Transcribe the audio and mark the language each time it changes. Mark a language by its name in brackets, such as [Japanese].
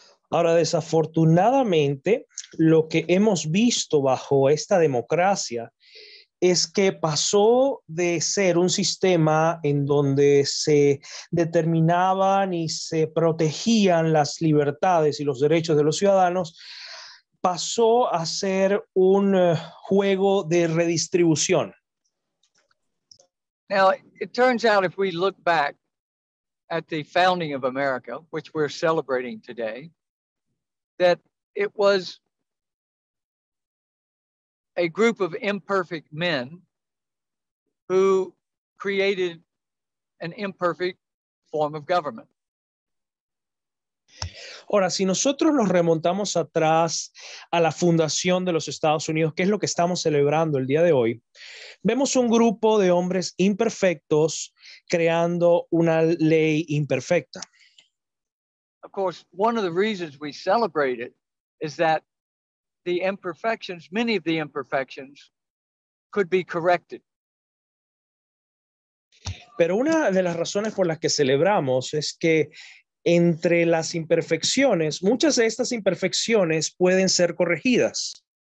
[Spanish] Ahora, desafortunadamente, lo que hemos visto bajo esta democracia es que pasó de ser un sistema en donde se determinaban y se protegían las libertades y los derechos de los ciudadanos, pasó a ser un juego de redistribución. [English] Now, it turns out if we look back at the founding of America, which we're celebrating today, that it was a group of imperfect men who created an imperfect form of government. [Spanish] Ahora, si nosotros nos remontamos atrás a la fundación de los Estados Unidos, que es lo que estamos celebrando el día de hoy, vemos un grupo de hombres imperfectos creando una ley imperfecta. [English] of course, one of the reasons we celebrate it is that the imperfections, many of the imperfections, could be corrected. [Spanish] Pero una de las razones por las que celebramos es que entre las imperfecciones, muchas de estas imperfecciones pueden ser corregidas.